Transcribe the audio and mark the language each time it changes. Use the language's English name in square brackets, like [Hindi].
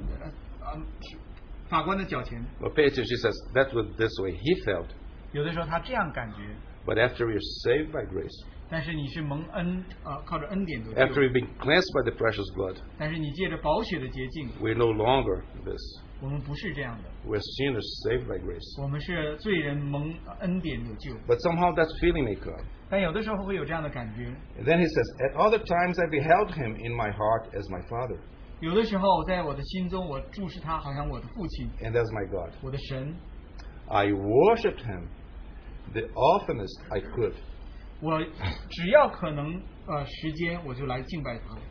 [Chinese] 有的时候我觉得我在他面前好像像一个很可怜的囚犯在一个法官的脚前。 [English] But pay attention, she says, that's what this way he felt. [Chinese] 有的时候他这样感觉。 [English] But after you're saved by grace, [Chinese] 但是你是蒙恩，靠着恩典得救, [English] after you've been cleansed by the precious blood, [Chinese] 但是你借着宝血的洁净, [English] we're no longer this. [Chinese] 我们不是这样的, [English] we're sinners saved by grace. [Chinese] 我们是罪人蒙恩典得救, [English] but somehow that feeling may come. [Chinese] 但有的时候会有这样的感觉。 [English] And then he says, at other times I beheld him in my heart as my father, [Chinese] 有的时候在我的心中, 我注视他好像我的父亲, [English] and as my God, [Chinese] 我的神, [English] I worshipped him the oftenest I could, [Chinese] 我只要可能时间我就来敬拜他,